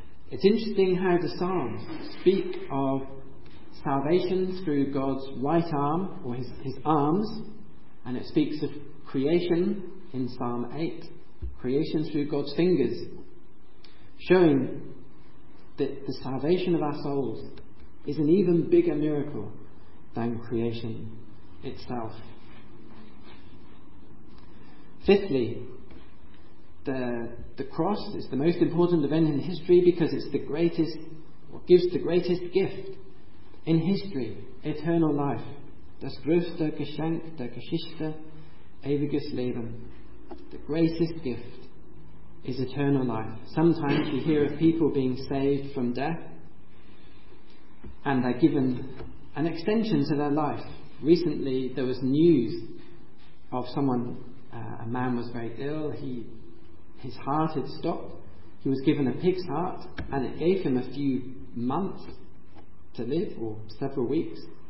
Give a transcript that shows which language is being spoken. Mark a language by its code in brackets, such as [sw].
[en] It's interesting how the Psalms speak of salvation through God's right arm, or his arms, and it speaks of creation in Psalm 8, creation through God's fingers, showing that the salvation of our souls is an even bigger miracle than creation itself. Fifthly, the cross is the most important event in history because it's the greatest, or gives the greatest gift in history, eternal life. [de] Das größte Geschenk der Geschichte, ewiges Leben. [en] The greatest gift is eternal life. Sometimes you hear of people being saved from death and they're given an extension to their life. Recently there was news of someone, a man was very ill, his heart had stopped, he was given a pig's heart and it gave him a few months to live, or several weeks.